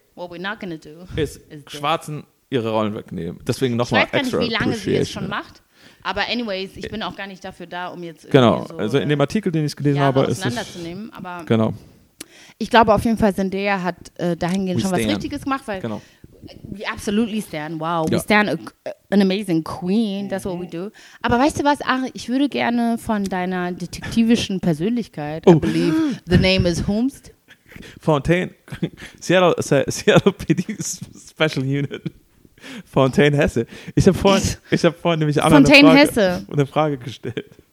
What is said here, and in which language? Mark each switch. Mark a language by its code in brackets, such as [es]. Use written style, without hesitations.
[en] what we're not gonna do [de] ist Schwarzen ihre Rollen wegnehmen. Deswegen nochmal extra [en] appreciation. [de] Ich weiß gar nicht, wie lange sie es schon macht. Aber anyways, ich bin auch gar nicht dafür da, um jetzt genau, irgendwie so... Genau, also in dem Artikel, den ich gelesen habe, ist auseinanderzunehmen, aber... Genau. Ich glaube auf jeden Fall, Zendaya hat dahingehend schon was Richtiges gemacht, weil... Genau. [en] We absolutely stand, wow. Ja. We stand an amazing queen, that's what we do. [de] Aber weißt du was, Ari, ich würde gerne von deiner detektivischen Persönlichkeit, [en] I believe, the name is Holmst. [de] Fontaine, Seattle PD Special Unit. Fontaine Hesse. Ich habe vorhin nämlich Anna eine Frage gestellt.